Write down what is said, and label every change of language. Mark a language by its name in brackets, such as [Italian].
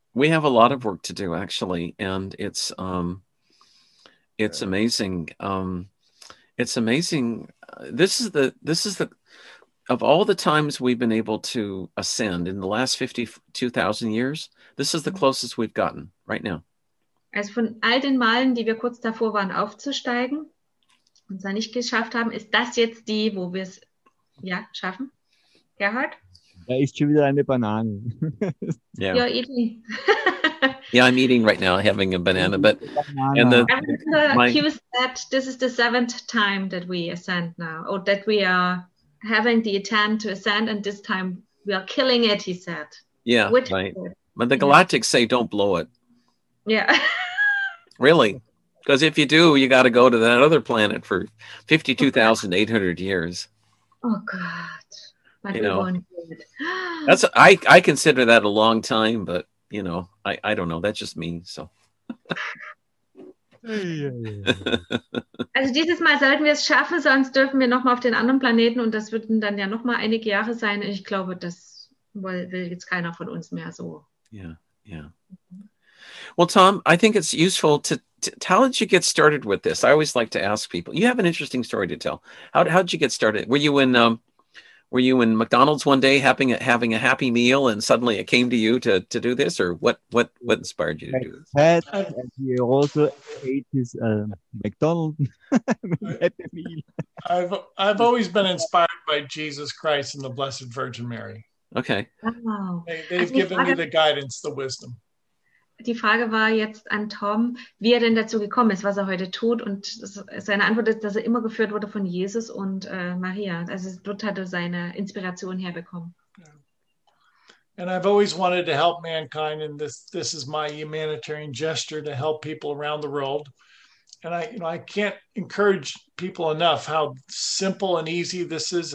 [English] We have a lot of work to do, actually, and it's It's amazing. It's amazing. This is the of all the times we've been able to ascend in the last 52,000 years, this is the closest we've gotten right now. [German] Also von all den Malen, die wir kurz davor waren, aufzusteigen und es nicht geschafft haben, ist das jetzt die, wo wir es ja schaffen? Gerhard? Da ist schon wieder eine Banane. [English] Yeah. You're eating. Yeah, I'm eating right now, having a banana. But and the cues that this is the seventh time that we ascend now, or that we are having the attempt to ascend, and this time we are killing it, he said. Yeah, which right. But the Galactics say don't blow it. Yeah. Really? Because if you do, you got to go to that other planet for 52,800 years. Oh, God. But you know, that's I consider that a long time, but, you know, I don't know. That's just me, so. [German] Also dieses Mal sollten wir es schaffen, sonst dürfen wir nochmal auf den anderen Planeten und das würden dann ja nochmal einige Jahre sein. Und ich glaube, das will jetzt keiner von uns mehr so. [English] Yeah, yeah. Well, Tom, I think it's useful to how did you get started with this? I always like to ask people. You have an interesting story to tell. How did you get started? Were you in McDonald's one day having a happy meal and suddenly it came to you to do this? Or what inspired you to do this? And he also ate his McDonald's happy meal. I've always been inspired by Jesus Christ and the Blessed Virgin Mary. Okay. Oh. They've given me the guidance, the wisdom. [German] Die Frage war jetzt an Tom, wie er denn dazu gekommen ist, was er heute tut. Und seine Antwort ist, dass er immer geführt wurde von Jesus und Maria. Also dort hat er seine Inspiration herbekommen. [English] And I've always wanted to help mankind, and this is my humanitarian gesture to help people around the world. And I can't encourage people enough how simple and easy this is.